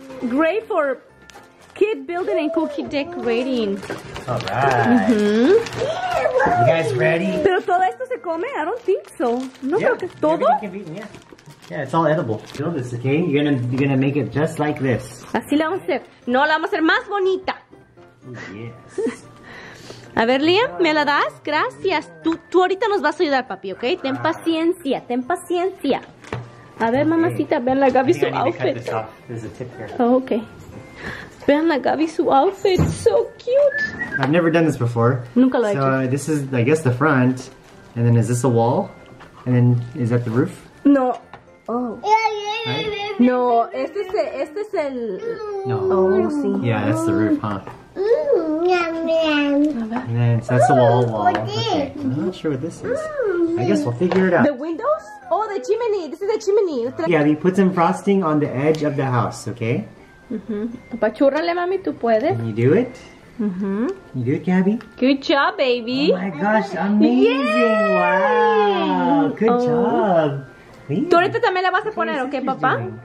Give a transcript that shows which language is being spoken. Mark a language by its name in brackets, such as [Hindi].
[English] Great for kid building and cookie decorating. All right. Mm-hmm. You guys ready? [Spanish] ¿Pero todo esto se come? [English] I don't think so. [Spanish] No, [English] yeah. [Spanish] Creo que todo. [English] Yeah, it's all edible. Build this, okay? You're gonna make it just like this. [Spanish] Así lo vamos a hacer. No, la vamos a hacer más bonita. A ver, Liam, ¿me la das? Gracias. Tú ahorita nos vas a ayudar, papi, ¿ok? Ten paciencia, ten paciencia. A ver, okay. Mamacita, vean la Gaby su outfit. Oh, ok. Vean la Gaby su outfit. [English] So cute. I've never done this before. [Spanish] Nunca lo he hecho. [English] So this is, I guess, the front. And then is this a wall? And then is that the roof? [Spanish] No. Oh. Right? No, este es el... No. Oh, sí. [English] Yeah, that's the roof, huh? And then, so that's the wall. Okay. I'm not sure what this is. I guess we'll figure it out. The windows? Oh, the chimney. This is the chimney. Yeah, we put some frosting on the edge of the house, okay? Mm-hmm. [Spanish] Apachurrale, mami, tú puedes. [English] Can you do it? Mm-hmm. You do it, Gabby? Good job, baby. Oh my gosh, amazing. Yay! Wow. Good job. Please. [Spanish] Tú ahorita también la vas a poner, okay, papá?